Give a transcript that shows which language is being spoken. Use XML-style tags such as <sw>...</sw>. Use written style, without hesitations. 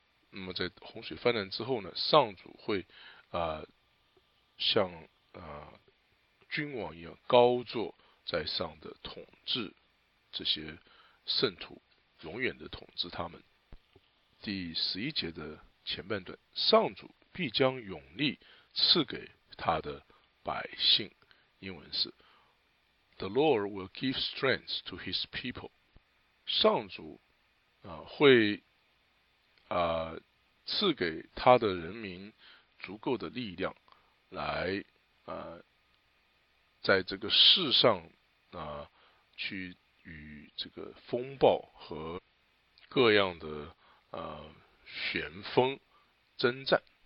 <zh>那么在洪水泛滥之后呢，上主会像君王一样高坐在上的统治这些圣徒，永远的统治他们。第十一节的前半段，上主必将永力赐给他的百姓。英文是</zh> <en>The Lord will give strength to his people。</en> <zh>上主会赐给他的人民足够的力量来在这个世上去与这个风暴和各样的旋风征战。</zh>